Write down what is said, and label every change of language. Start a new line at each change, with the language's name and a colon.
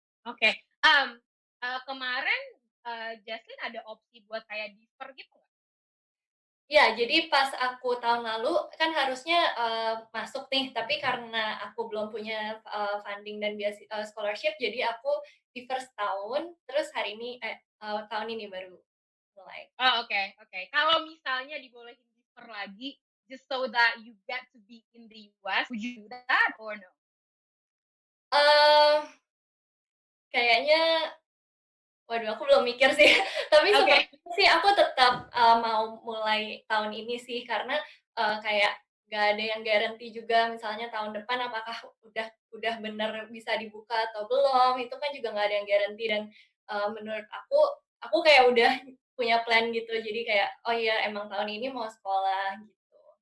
Indonesian: Oke. Kemarin Jaslyn ada opsi buat kayak defer gitu gak? Ya, jadi pas aku tahun lalu kan harusnya masuk nih, tapi karena aku belum punya funding dan biasa, scholarship, jadi aku defer setahun, terus hari ini tahun ini baru mulai. Oke. Kalau misalnya dibolehin defer lagi
English: just so that you get to be in the US, would you do that or no?
Indonesian: Kayaknya, waduh aku belum mikir sih, tapi sepertinya sih aku tetap mau mulai tahun ini sih, karena kayak gak ada yang garanti juga misalnya tahun depan apakah udah bener bisa dibuka atau belum, itu kan juga gak ada yang garanti, dan menurut aku kayak udah punya plan gitu, jadi kayak, oh iya emang tahun ini mau sekolah gitu.